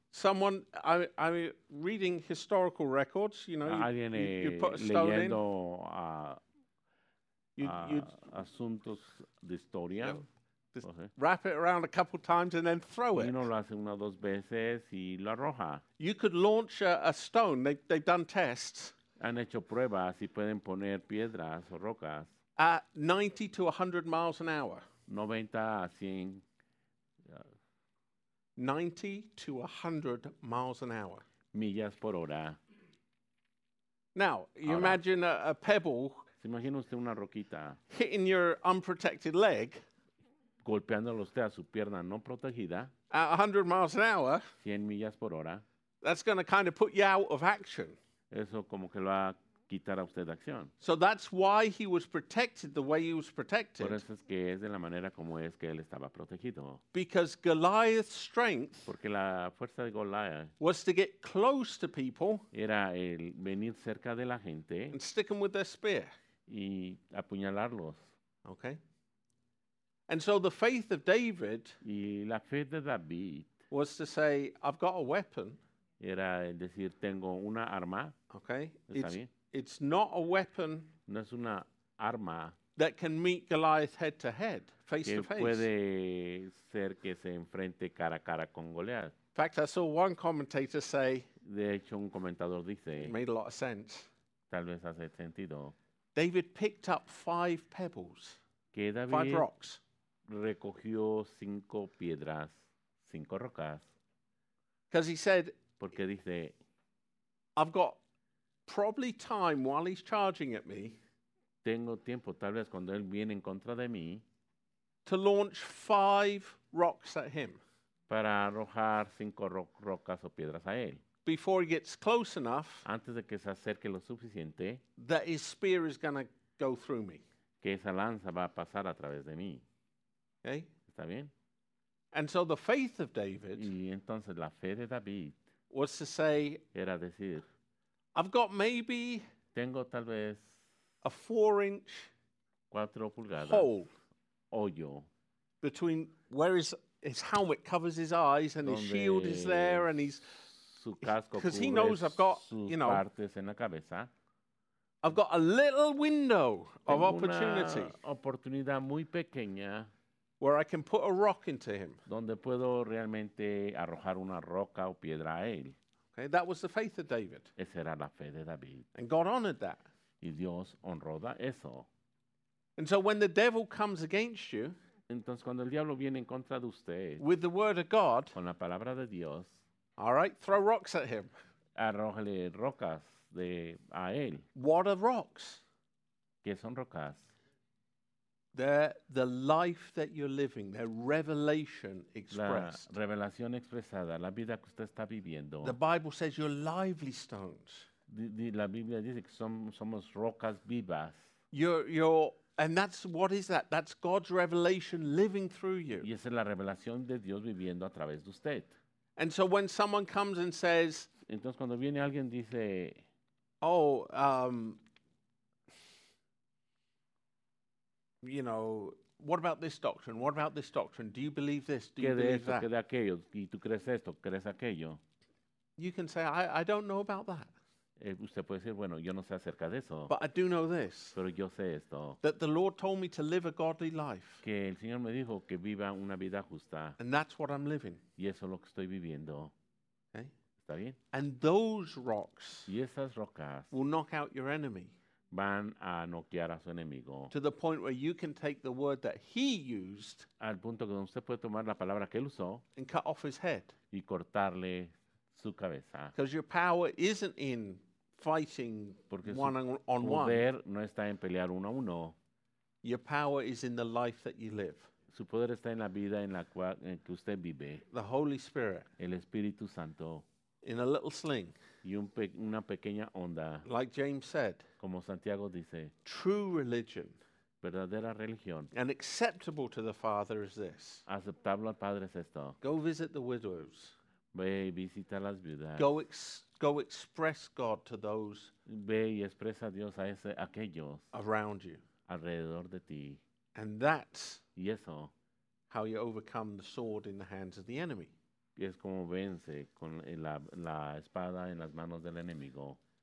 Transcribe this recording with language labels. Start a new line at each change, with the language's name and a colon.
English: Someone, I'm reading historical records, you know, you put a stone
Spanish: leyendo,
English: in.
Spanish: Asuntos de historia.
English: You know, okay. Wrap it around a couple times and then throw it.
Spanish: Uno lo hace una o dos veces y lo arroja.
English: You could launch a stone. They've done tests.
Spanish: Han hecho pruebas y pueden poner piedras o rocas.
English: At 90 to 100 miles an hour.
Spanish: 90 a 100
English: 90 to 100 miles an hour.
Spanish: Millas por hora.
English: Now, you ahora, imagine a pebble.
Spanish: ¿Se imagina usted una roquita?
English: Hitting your unprotected leg.
Spanish: Golpeándolo usted a su pierna no protegida.
English: At 100 miles an hour.
Spanish: 100 millas por hora.
English: That's going to kind of put you out of action.
Spanish: Eso como que lo va a quitar a usted de acción.
English: So that's why he was protected the way he was protected.
Spanish: Por eso es que es de la manera como es que él estaba protegido.
English: Because Goliath's strength
Spanish: porque la fuerza de Goliath
English: was to get close to people
Spanish: era el venir cerca de la gente
English: and stick them with their spear.
Spanish: Y apuñalarlos.
English: Okay. And so the faith of David
Spanish: y la fe de David
English: was to say, I've got a weapon.
Spanish: Era decir, tengo una arma.
English: Okay.
Spanish: Está bien.
English: It's not a weapon
Spanish: no es una arma
English: that can meet Goliath head to head, face to face.
Spanish: Puede ser que se enfrente cara a cara con Goliath.
English: fact, I saw one commentator say,
Spanish: de hecho, un comentador dice,
English: it made a lot of sense.
Spanish: Tal vez hace sentido.
English: David picked up five pebbles.
Spanish: Que David
English: five rocks.
Spanish: Recogió cinco piedras, cinco rocas.
English: Because he said,
Spanish: porque dice,
English: I've got probably time while he's charging at me.
Spanish: Tengo tiempo, tal vez cuando él viene en contra de mí,
English: to launch five rocks at him.
Spanish: Para arrojar cinco rocas o piedras a él.
English: Before he gets close enough,
Spanish: antes de que se acerque lo suficiente,
English: that his spear is going to go through me.
Spanish: Que esa lanza va a pasar a través de mí.
English: Okay?
Spanish: ¿Está bien?
English: And so the faith of David,
Spanish: y entonces la fe de David,
English: was to say,
Spanish: era decir,
English: I've got maybe,
Spanish: tengo tal vez,
English: a 4-inch hole,
Spanish: hoyo,
English: between where his helmet covers his eyes and his shield is there and he's, because he knows I've got, you know,
Spanish: partes en la cabeza.
English: I've got a little window of opportunity,
Spanish: una oportunidad muy pequeña,
English: where I can put a rock into him.
Spanish: Donde puedo realmente arrojar una roca o piedra a él.
English: Okay, that was the faith of David.
Spanish: Esa era la fe de David.
English: And God honored that.
Spanish: Y Dios honró eso.
English: And so when the devil comes against you,
Spanish: entonces cuando el diablo viene en contra de usted,
English: with the word of God,
Spanish: con la palabra de Dios,
English: all right, throw rocks at him.
Spanish: Arrójale rocas de a él.
English: What are rocks?
Spanish: ¿Qué son rocas?
English: They're the life that you're living, their revelation expressed.
Spanish: La revelación expresada, la vida que usted está viviendo.
English: The Bible says you're lively stones.
Spanish: La Biblia dice que somos rocas vivas.
English: And that's, what is that? That's God's revelation living through you.
Spanish: Y esa es la revelación de Dios viviendo a través de usted.
English: And so when someone comes and says,
Spanish: entonces cuando viene alguien dice,
English: oh, you know, what about this doctrine? What about this doctrine? Do you believe this? Do you believe that?
Spanish: ¿Qué de aquello? ¿Y tú crees esto? ¿Crees aquello?
English: You can say, I don't know about that.
Spanish: Usted puede decir, bueno, yo no sé acerca de eso.
English: But I do know this.
Spanish: Pero yo sé esto.
English: That the Lord told me to live a godly life.
Spanish: Que el Señor me dijo que viva una vida justa.
English: And that's what I'm living.
Spanish: Y eso es lo que estoy viviendo.
English: Okay.
Spanish: ¿Está bien?
English: And those rocks.
Spanish: Y esas rocas.
English: Will knock out your enemy.
Spanish: Van a noquear a su enemigo.
English: To the point where you can take the word that he used.
Spanish: Al punto que usted puede tomar la palabra que él usó.
English: And cut off his head.
Spanish: Y cortarle su cabeza.
English: Because your power isn't in fighting
Spanish: porque
English: one on
Spanish: poder
English: one.
Spanish: Poder no está en pelear uno a uno.
English: Your power is in the life that you live.
Spanish: Su poder está en la vida en la cual en que usted vive.
English: The Holy Spirit.
Spanish: El Espíritu Santo.
English: In a little sling.
Spanish: Y una pequeña onda.
English: Like James said.
Spanish: Como Santiago dice.
English: True religion.
Spanish: Verdadera religión.
English: And acceptable to the Father is this.
Spanish: Aceptable al Padre es esto.
English: Go visit the widows.
Spanish: Ve y visita las viudas.
English: Go express God to those.
Spanish: Ve y expresa a Dios a aquellos.
English: Around you.
Spanish: Alrededor de ti.
English: And that's.
Spanish: Y eso.
English: How you overcome the sword in the hands of the enemy.
Spanish: Y es como vence con la espada en las manos del enemigo.